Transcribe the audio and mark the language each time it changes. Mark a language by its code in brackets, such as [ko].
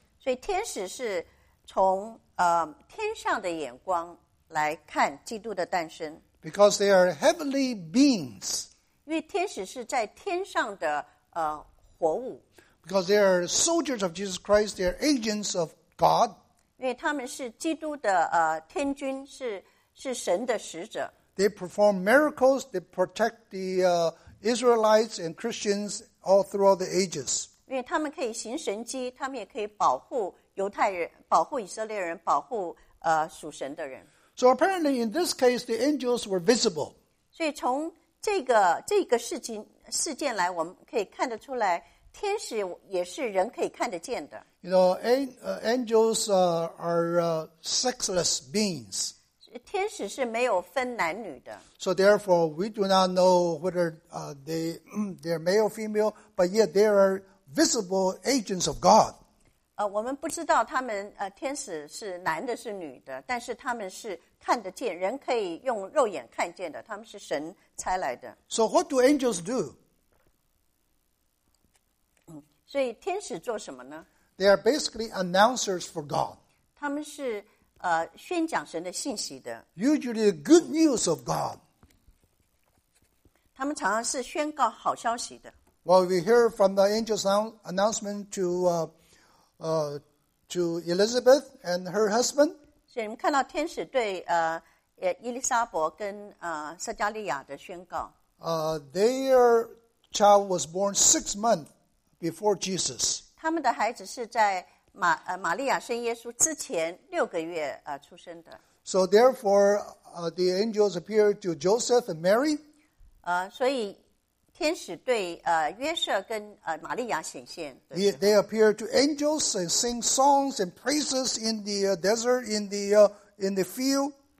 [zh] 所以天使是从天上的眼光来看基督的诞生。 [en] Because they are heavenly beings. [zh] 因为天使是在天上的活物。 [en] Because they are soldiers of Jesus Christ, they are agents of God. [zh] 因为他们是基督的天军，是神的使者。 [en] They perform miracles. They protect the Israelites and Christians. All throughout the ages. [zh] 因为他们可以行神迹，他们也可以保护犹太人，保护以色列人，保护属神的人。 [en] So apparently, in this case, the angels were visible. [zh] 所以从这个事件来，我们可以看得出来，天使也是人可以看得见的。 [en] You know, angels are sexless beings. [zh] 天使是没有分男女的。 [en] So therefore, we do not know whether they are male or female, but yet they are visible agents of God. [zh] 我们不知道他们天使是男的是女的，但是他们是看得见，人可以用肉眼看见的，他们是神差来的。 [en] So what do angels do? [zh] 所以天使做什么呢？ [en] They are basically announcers for God. [zh] 他们是宣讲神的信息的。 [en] Usually the good news of God. [zh] 他们常常是宣告好消息的。 [en] Well, we hear from the angel's announcement to Elizabeth and her husband. [zh] 所以你们看到天使对伊丽莎伯跟撒加利亚的宣告。 [en] Their child was born 6 months before Jesus. [zh] 他们的孩子是在玛利亚生耶稣之前6个月出生的。 [en] So therefore, the angels appeared to Joseph and Mary. [zh] 所以天使对约瑟跟玛利亚显现。 [en] They appeared to angels and sing songs and praises in the desert, in the field.